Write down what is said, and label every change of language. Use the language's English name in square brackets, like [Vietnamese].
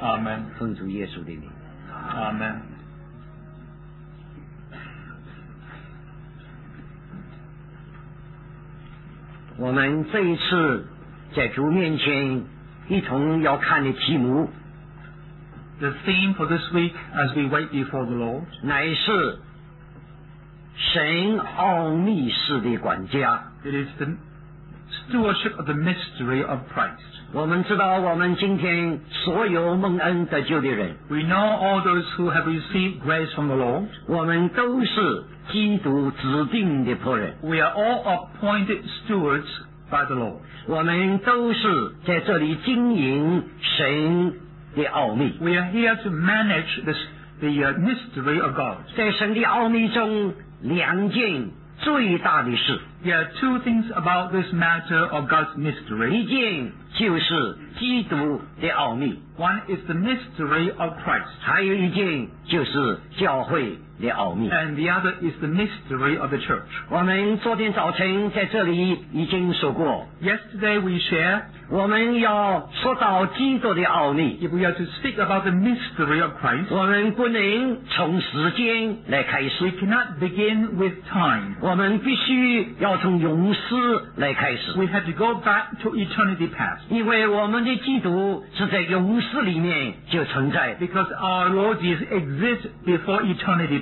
[English] Amen. [Chinese] 奉主耶稣的名。 [English] Amen. [Chinese] 我们这一次在主面前一同要看的题目， [English] The theme for this week as we wait before the Lord [Chinese] 乃是神奥秘式的管家。 [English] It is the stewardship of the mystery of Christ. [Chinese] 我们知道我们今天所有蒙恩得救的人， [English] We know all those who have received grace from the Lord. [Chinese] 我们都是基督指定的仆人。 [English] We are all appointed stewards by the Lord. [Chinese] 我们都是在这里经营神的奥秘。 [English] We are here to manage the mystery of God. [Chinese] 在神的奥秘中两件最大的事。 [English] Yeah, two things about this matter of God's mystery. [Chinese] 一件就是基督的奥秘。 [English] One is the mystery of Christ. [Chinese] 还有一件就是教会的奥秘。 [English] And the other is the mystery of the church. [Chinese] 我们昨天早晨在这里已经说过。 [English] Yesterday we share. [Chinese] 我们要说到基督的奥秘。 [English] If we are to speak about the mystery of Christ. [Chinese] 我们不能从时间来开始。 [English] We cannot begin with time. [Chinese] 我们必须要从永世来开始。 [English] We have to go back to eternity past. [Chinese] 因为我们的基督是在永世里面就存在。 [English] Because our Lord is exist before eternity.